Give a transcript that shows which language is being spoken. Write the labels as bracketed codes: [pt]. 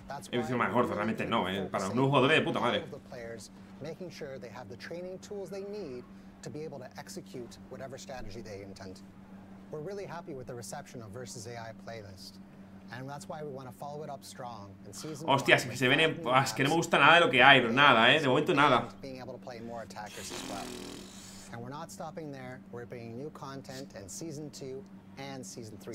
[es] Es lo más gordo, realmente no, para un nuevo jugador de puta madre. [en] Making sure they have the training tools they need to be able to execute whatever strategy they intend. We're really happy with the reception of Versus AI playlist, and that's why we want to follow it up strong in season. [es] Hostias, que se viene, es que no me gusta nada de lo que hay, pero nada, de momento nada. [en] Being able to play more attackers as well. And we're not stopping there. We're bringing new content in season 2 and season 3.